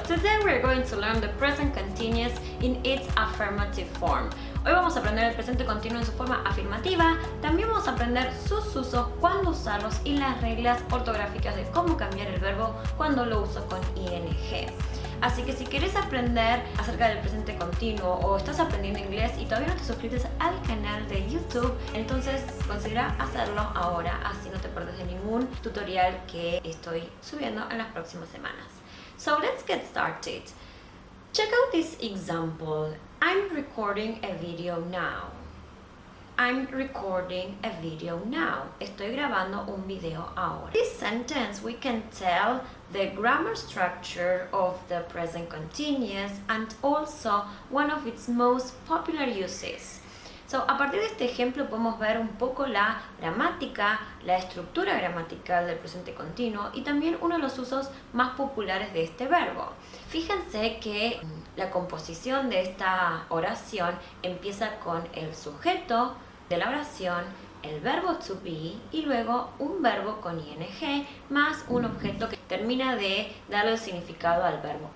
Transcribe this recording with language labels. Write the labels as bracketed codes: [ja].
[en] Today we're going to learn the present continuous in its affirmative form. [es] Hoy vamos a aprender el presente continuo en su forma afirmativa. También vamos a aprender sus usos, cuándo usarlos y las reglas ortográficas de cómo cambiar el verbo cuando lo uso con ing. Así que si quieres aprender acerca del presente continuo o estás aprendiendo inglés y todavía no te suscribes al canal de YouTube, entonces considera hacerlo ahora, así no te pierdes de ningún tutorial que estoy subiendo en las próximas semanas. [en] So let's get started. Check out this example. I'm recording a video now. I'm recording a video now. [es] Estoy grabando un video ahora. [en] This sentence we can tell the grammar structure of the present continuous and also one of its most popular uses. [es] So, a partir de este ejemplo podemos ver un poco la gramática, la estructura gramatical del presente continuo y también uno de los usos más populares de este verbo. Fíjense que la composición de esta oración empieza con el sujeto de la oración, el verbo to be y luego un verbo con ing más un objeto que termina de darle el significado al verbo.